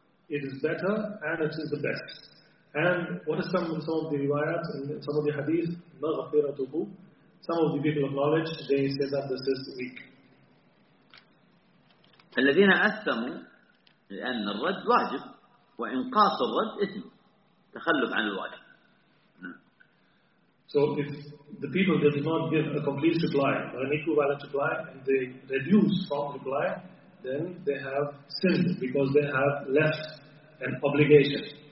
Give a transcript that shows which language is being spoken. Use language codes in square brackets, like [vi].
[en] It is better and it is the best. And what is some of the riwayat and some of the hadith, some of the people of knowledge, they say that this is weak. [ar] الذين أثموا لأن الرد واجب وإنقاص الرد إثم تخلف عن الواجب. [en] So if the people did not give a complete reply or an equivalent reply and they reduce from reply, then they have sinned because they have left an obligation.